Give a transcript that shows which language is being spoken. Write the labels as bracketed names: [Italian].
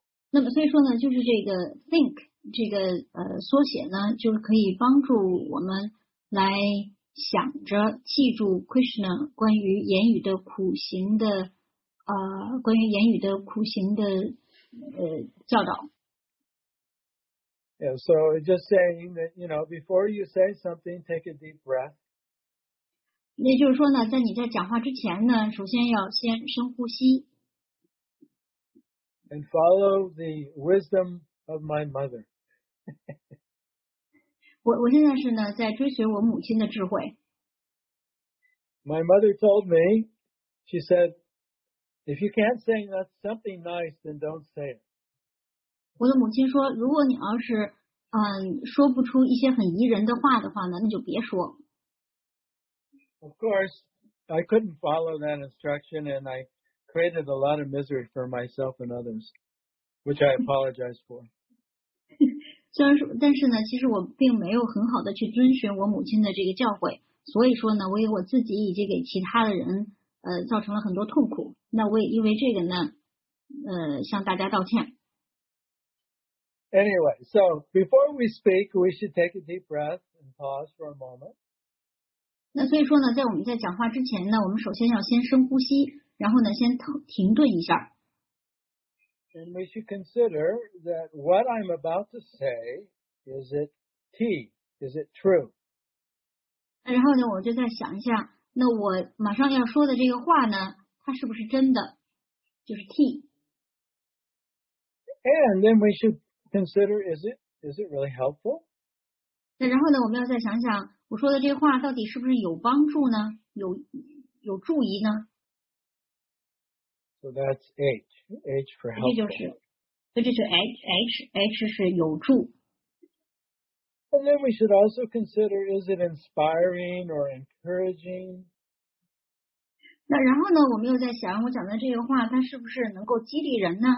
[Chinese] 那么所以说呢，就是这个 think 这个缩写呢，就是可以帮助我们来想着记住 Krishna 关于言语的苦行的关于言语的苦行的教导。 [English] Yeah, so just saying that you know before you say something, take a deep breath. [Chinese] 那就是说呢，在你在讲话之前呢，首先要先深呼吸。 [English] And follow the wisdom of my mother. [Chinese] 我现在是呢在追随我母亲的智慧。 [English] My mother told me, she said, if you can't say something nice, then don't say it. [Chinese] 我的母亲说，如果你要是说不出一些很宜人的话的话呢，那就别说。 [English] Of course, I couldn't follow that instruction, and I. Created a lot of misery for myself and others, which I apologize for. [Chinese] 虽然说，但是呢，其实我并没有很好的去遵循我母亲的这个教诲，所以说呢，我也我自己以及给其他的人造成了很多痛苦。那我也因为这个呢，向大家道歉。 [English] Anyway, so before we speak, we should take a deep breath and pause for a moment. [Chinese] 那所以说呢，在我们在讲话之前呢，我们首先要先深呼吸，然后呢先停顿一下。 [English] And we should consider that what I'm about to say, is it tea? Is it true? [Chinese] 然后呢，我就再想一下，那我马上要说的这个话呢，它是不是真的？就是 tea。 [English] And then we should consider, is it really helpful? [Chinese] 那然后呢，我们要再想想，我说的这话到底是不是有帮助呢？有助益呢？ [English] So that's H, H for helpful. [Chinese] 这就是 H, H 是有助。 [English] And then we should also consider, is it inspiring or encouraging? [Chinese] 那然后呢，我们又在想，我讲的这个话，它是不是能够激励人呢？